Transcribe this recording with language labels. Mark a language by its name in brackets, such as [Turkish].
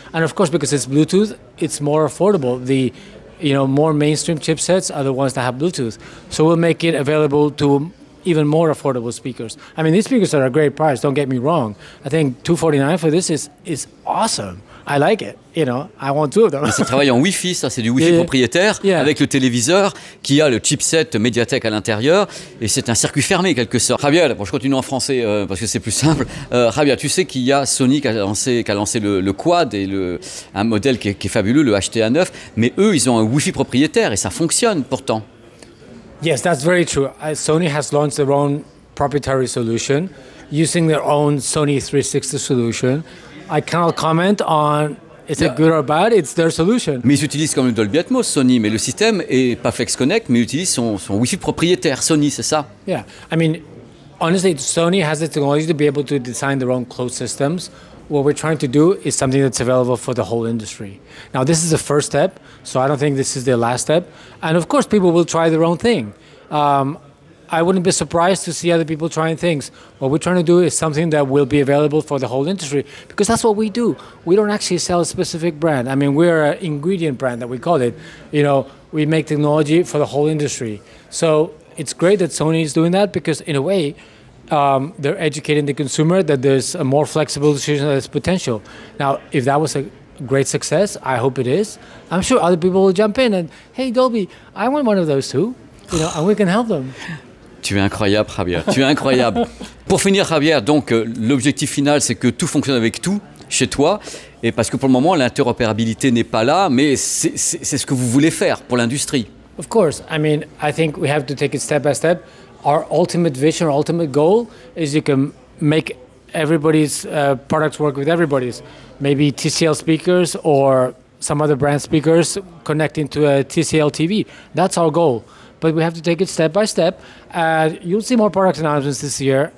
[English] And of course, because it's Bluetooth, it's more affordable. The, you know, more mainstream chipsets are the ones that have Bluetooth. So we'll make it available to even more affordable speakers. I mean, these speakers are a great price, don't get me wrong. I think $249 for this is awesome. I like it, you know, I want two of them. [French] Ça travaille en Wi-Fi, ça, c'est du Wi-Fi propriétaire, avec le téléviseur qui a le chipset Mediatek à l'intérieur, et c'est un circuit fermé, quelque sorte. Javier, bon, je continue en français parce que c'est plus simple. Javier, tu sais qu'il y a Sony qui a lancé le Quad, et un modèle qui est fabuleux, le HTA9, mais eux, ils ont un Wi-Fi propriétaire, et ça fonctionne pourtant. [English] Yes, that's very true. Sony has launched their own proprietary solution using their own Sony 360 solution. I cannot comment on is it good or bad, it's their solution. [French] Mais ils utilisent comme le Dolby Atmos, Sony, mais le système est pas Flex Connect, mais ils utilisent son Wi-Fi propriétaire, Sony, c'est ça? [English] Yeah, I mean, honestly, Sony has the technology to be able to design their own closed systems. What we're trying to do is something that's available for the whole industry. Now, this is the first step, so I don't think this is the last step. And of course, people will try their own thing. I wouldn't be surprised to see other people trying things. What we're trying to do is something that will be available for the whole industry, because that's what we do. We don't actually sell a specific brand. I mean, we're an ingredient brand that we call it. You know, we make technology for the whole industry. So it's great that Sony is doing that, because in a way, they're educating the consumer that there's a more flexible decision that has potential. Now, if that was a great success, I hope it is, I'm sure other people will jump in and, hey, Dolby, I want one of those too, you know, and we can help them. [French] Tu es incroyable, Javier. Tu es incroyable. Pour finir, Javier, donc, l'objectif final, c'est que tout fonctionne avec tout chez toi. Et parce que pour le moment, l'interopérabilité n'est pas là, mais c'est ce que vous voulez faire pour l'industrie. [English] Of course. I mean, I think we have to take it step by step. Our ultimate vision, our ultimate goal is you can make everybody's products work with everybody's. Maybe TCL speakers or some other brand speakers connecting to a TCL TV. That's our goal. But we have to take it step by step. You'll see more product announcements this year.